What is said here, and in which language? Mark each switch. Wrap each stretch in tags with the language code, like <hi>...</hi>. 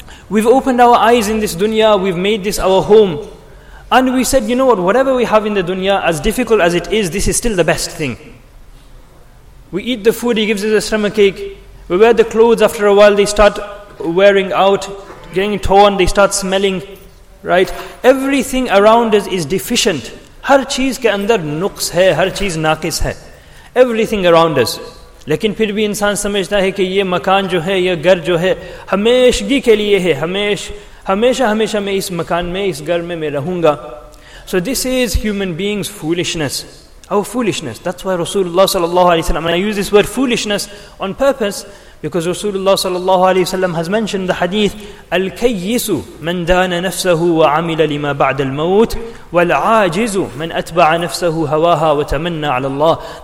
<en>We've opened our eyes in this dunya, we've made this our home. And we said, you know what, whatever we have in the dunya, as difficult as it is, this is still the best thing. We eat the food, he gives us a stomachache. We wear the clothes, after a while they start wearing out, getting torn, they start smelling, right? Everything around us is deficient.</en> <ur>Har cheez ke andar nuqs hai, har cheez naqis hai.</ur> <en>Everything around us.</en> <ur>لیکن پھر بھی انسان سمجھتا ہے کہ یہ مکان جو ہے, یہ گھر جو ہے, ہمیشگی کے لیے ہے, ہمیشہ میں اس مکان میں, اس گھر میں رہوں گا.</ur> <en>So this is human beings' foolishness. Our foolishness. That's why Rasulullah sallallahu alayhi wa sallam, and I use this word foolishness on purpose, because Rasulullah sallallahu alayhi wa sallam has mentioned the hadith,</en> <ar>الْكَيِّسُ مَنْ دَانَ نَفْسَهُ وَعَمِلَ لِمَا بَعْدَ الْمَوْتِ وَالْعَاجِزُ مَنْ أَتْبَعَ نَفْسَهُ هَوَاهَا وَتَمَنَّى عَلَى اللَّهِ.</ar>